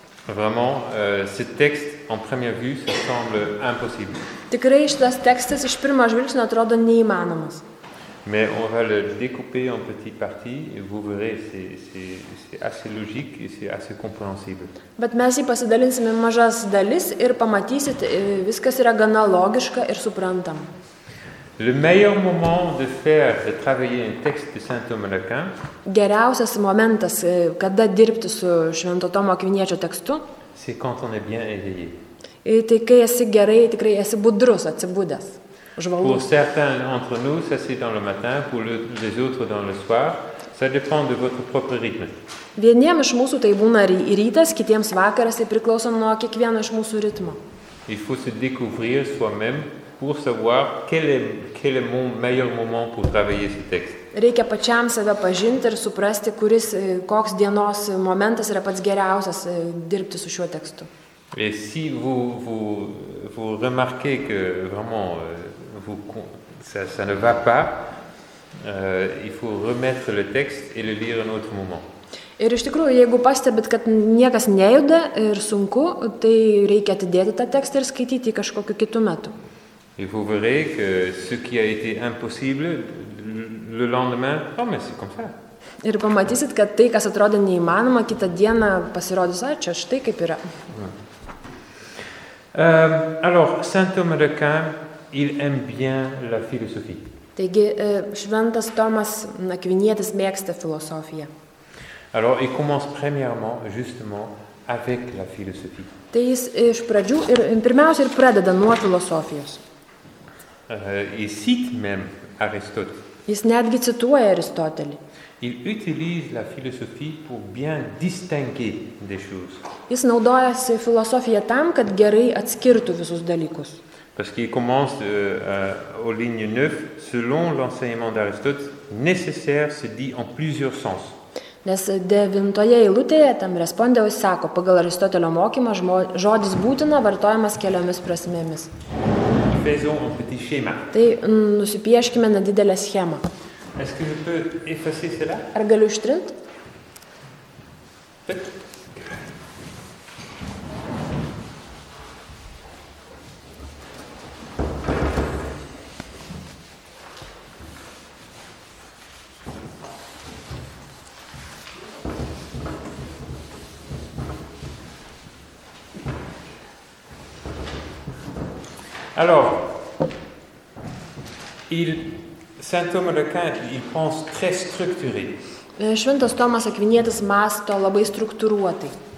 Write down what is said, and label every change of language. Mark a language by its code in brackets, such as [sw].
[fr] Vraiment, ce texte en première vue ça semble impossible. [lt] Tikrai šitas tekstas iš pirmo žvilgsnio atrodo neįmanomas. [fr] Mais on va le découper en petites parties et vous verrez c'est assez logique et c'est assez compréhensible. [lt] Bet mes jį pasidalinsime mažas dalis ir pamatysit, viskas yra gana logiška ir suprantama. [fr] Le meilleur moment de faire de travailler un texte de Saint Thomas d'Aquin. [lt] Geriausias momentas, kada dirbti su Švento Tomo Akviniečio tekstu. [fr] C'est quand on est bien éveillé. [lt] Et tai, kai esi gerai, tikrai esi budrus, atsibudęs. [fr] Pour certains entre nous, ça c'est dans le matin, pour les autres dans le soir. Ça dépend de votre propre rythme. [lt] Vieniems iš mūsų tai būna rytas, kitiems vakaras, tai priklauso nuo kiekvieno iš mūsų ritmo. [fr] Il faut se découvrir soi-même pour savoir quel est mon meilleur moment pour travailler ce texte. [lt] Reikia pačiam save pažinti ir suprasti, kuris koks dienos momentas yra pats geriausias dirbti su šiuo tekstu. [fr] Et si vous remarquez que vraiment ça ne va pas, il faut remettre le texte et le lire un autre moment. [lt] Ir iš tikrųjų, jeigu pastebit, kad niekas nejuda ir sunku, tai reikia atidėti tą tekstą ir skaityti kažkokiu kitu metu. [fr] Et vous verrez que ce qui a été impossible le lendemain, oh mais c'est comme ça. [lt] Ir pamatysit, kad tai, kas atrodė neįmanoma, kitą dieną pasirodys, ai, čia štai kaip yra. [fr] Alors Saint Thomas d'Aquin, il aime bien la philosophie. [lt] Taigi Šventas Tomas Akvinietis mėgsta filosofiją. [fr] Alors il commence premièrement justement avec la philosophie. [lt] Tai jis iš pradžių ir pirmiausia ir pradeda nuo filosofijos. [fr] Il cite même Aristote. [lt] Jis netgi cituoja Aristotelį. [fr] Il utilise la philosophie pour bien distinguer des choses. [lt] Jis naudojasi filosofija tam, kad gerai atskirtų visus dalykus. [fr] Parce qu'il commence au ligne 9 selon l'enseignement d'Aristote, nécessaire se dit en plusieurs sens. [lt] Nes devintoje eilutėje tam respondeus sako, pagal Aristotelio mokymą žodis būtina vartojamas keliomis prasmėmis. Tai nusipieškime nedidelę schemą. Ar galiu ištrinti? [fr] Alors, Saint Thomas d'Aquin, il pense très structuré. [lt] Šventas Tomas Akvinietis masto labai struktūruotai.